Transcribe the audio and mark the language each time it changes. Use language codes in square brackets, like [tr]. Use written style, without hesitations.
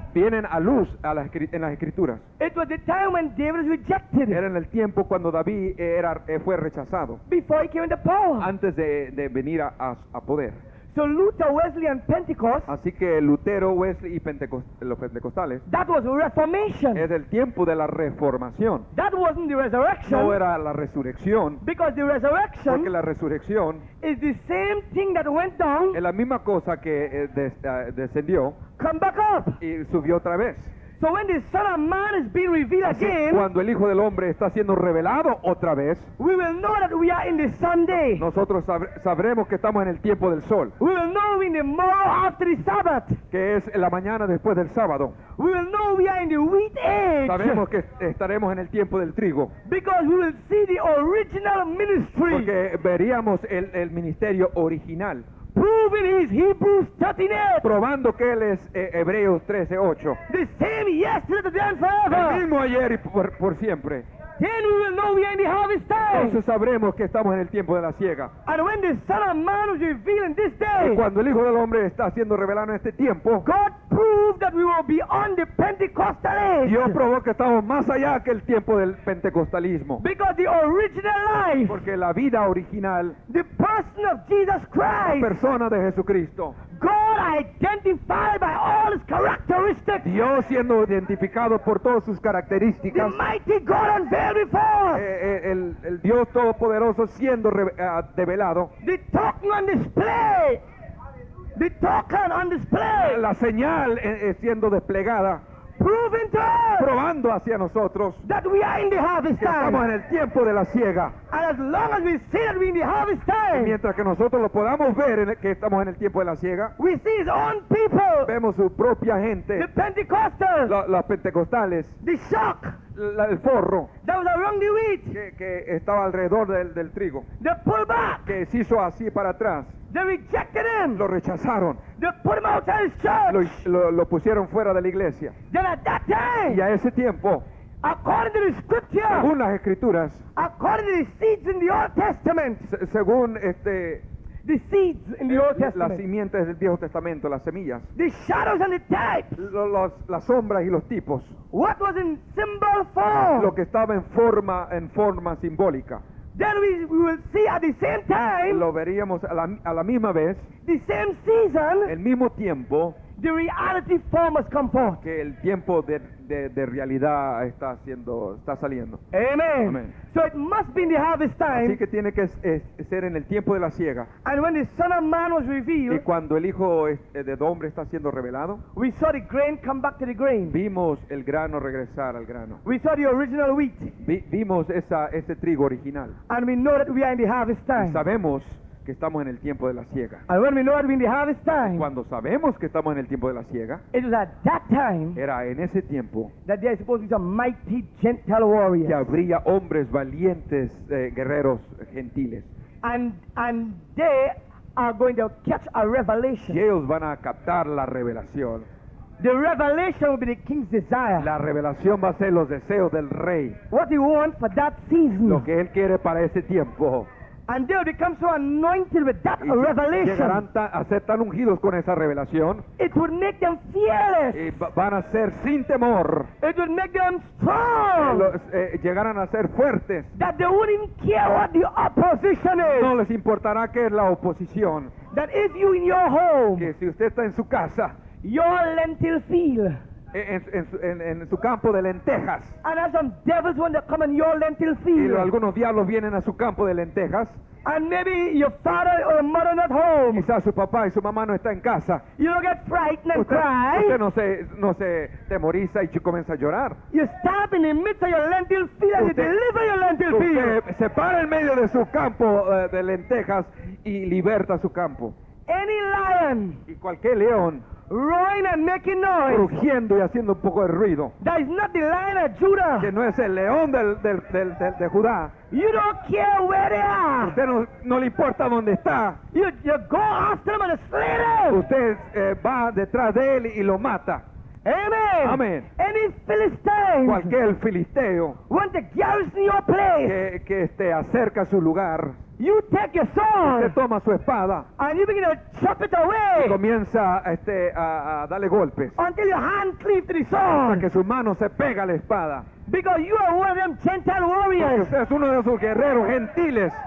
[es] Vienen a luz a la, en las Escrituras. [en] It was the time when David was rejected. [es] Era en el tiempo cuando David era, fue rechazado. [en] Before he came into power. [es] Antes de venir a poder. [en] So Luther, Wesley and Pentecost. [es] Así que Lutero, Wesley y los pentecostales. [en] That was reformation. [es] Es el tiempo de la reformación. [en] That wasn't the resurrection. [es] No era la resurrección. [en] Because the resurrection. [es] Porque la resurrección. [en] Is the same thing that went down. [es] Es la misma cosa que descendió. [en] Come back up. [es] Y subió otra vez. [en] So when the Son of Man is being revealed [es] así, [en] again, [es] cuando el Hijo del Hombre está siendo revelado otra vez, [en] we will know that we are in the Sunday. [es] Nosotros sabremos que estamos en el tiempo del sol. [en] We will know in the morning after the Sabbath. [es] Que es la mañana después del sábado. [en] We will know we are in the wheat age. [es] Sabemos que estaremos en el tiempo del trigo. [en] Because we will see the original ministry. [es] Porque veríamos el ministerio original. [en] Proving his Hebrews 13:8. [es] Probando que él es Hebreos 13:8. [en] The same yesterday, today, and forever. [es] El mismo ayer y por siempre. [en] Then we will know we are in the harvest time. [es] Entonces sabremos que estamos en el tiempo de la siega. [en] And when the Son of Man is revealing this day. [es] Y cuando el Hijo del Hombre está siendo revelado en este tiempo. [en] God proved that we will be on the Pentecostal age. [es] Dios probó que estamos más allá que el tiempo del pentecostalismo. [en] Because the original life. [es] Porque la vida original. [en] The person of Jesus Christ. [es] La persona de Jesucristo. [en] God identified by all his characteristics. [es] Dios siendo identificado por todas sus características. [en] The mighty God unveiled before us. [es] El Dios todopoderoso siendo revelado. [en] The token on display. The token on display. [es] La señal siendo desplegada. [en] Proving to us. [es] Probando hacia nosotros. [en] That we are in the harvest time. [es] Que estamos en el tiempo de la siega. [en] And as long as we see that we are in the harvest time. [es] Y mientras que nosotros lo podamos ver que estamos en el tiempo de la siega. [en] We see his own people. [es] Vemos su propia gente. [en] The Pentecostals. [es] Las pentecostales. [en] The shock. [es] El forro. [en] That was around the wheat. [es] Que estaba alrededor del trigo. [en] They pull back. [es] Que se hizo así para atrás. [en] They rejected him. [es] Lo rechazaron. [en] They put him out of his church. [es] Lo pusieron fuera de la iglesia. [en] Then at that time. [es] Y a ese tiempo. [en] According to the scripture. [es] Según las escrituras. [en] According to the seeds in the Old Testament. [es] Según [en] The seeds in the Old Testament. [es] Las simientes del Viejo Testamento, las semillas. [en] The shadows and the types. [es] Las sombras y los tipos. [en] What was in symbol form. [es] Lo que estaba en forma simbólica. [en] Then we will see at the same time. [es] Lo veríamos a la misma vez. [en] The same season. [es] El mismo tiempo. [en] The reality form has come forth. [es] Que el tiempo de realidad está saliendo. Amen. Amen. [en] So it must be in the harvest time. [es] Así que tiene que ser en el tiempo de la siega. [en] And when the Son of Man was revealed. [es] Y cuando el Hijo de Hombre está siendo revelado. [en] We saw the grain come back to the grain. [es] Vimos el grano regresar al grano. [en] We saw the original wheat. [es] Vimos ese trigo original. [en] And we know that we are in the harvest time. [es] Y sabemos que estamos en el tiempo de la siega. [en] And when we know that we're in the harvest time. [es] Cuando sabemos que estamos en el tiempo de la siega. [en] It was at that time. [es] Era en ese tiempo. [en] That there is supposed to be some mighty gentle warriors. [es] Que habría hombres valientes, guerreros gentiles. [en] And they are going to catch a revelation. [es] Y ellos van a captar la revelación. [en] The revelation will be the king's desire. [es] La revelación va a ser los deseos del rey. [en] What he wants for that season. [es] Lo que él quiere para ese tiempo. [en] And they will become so anointed with that revelation. [es] Llegarán a ser tan ungidos con esa revelación. [en] It will make them fearless. [es] Y van a ser sin temor. [en] It will make them strong. [es] Llegarán a ser fuertes. [en] That they won't even care what the opposition is. [es] No les importará qué es la oposición. [en] That if you in your home. [es] Que si usted está en su casa. [en] Your lentil field. [es] En su campo de lentejas. [en] And as some devils want to come in your lentil field. [es] Y algunos diablos vienen a su campo de lentejas. [en] And maybe your father or mother not home. [es] Quizás su papá y su mamá no está en casa. [en] You don't get frightened and cry. [es] Usted no se temoriza y comienza a llorar. [en] You stop in the midst of your lentil field and you deliver your lentil field. [es] Usted se para en medio de su campo de lentejas y liberta su campo. [en] Any lion. [es] Y cualquier león. [en] Roaring and making noise. [es] Rugiendo y haciendo un poco de ruido. [en] That is not the lion of Judah. [es] Que no es el león de Judá. [en] You don't care where they are. [es] Usted no le importa dónde está. [en] You go after him and slay him. [es] Usted va detrás de él y lo mata. Amen. Amen. [en] Any Philistine. [es] Cualquier filisteo. [en] Want to garrison your place. [es] Que esté acerca su lugar. [en] You take your sword. [es] Usted toma su espada. [en] And you begin to chop it away. [es] Y comienza a darle golpes. [en] Until your hand cleaves to the sword. [es] Hasta que su mano se pega a la espada. [en] Because you are one of them Gentile warriors. [es] Porque usted es uno de esos guerreros gentiles.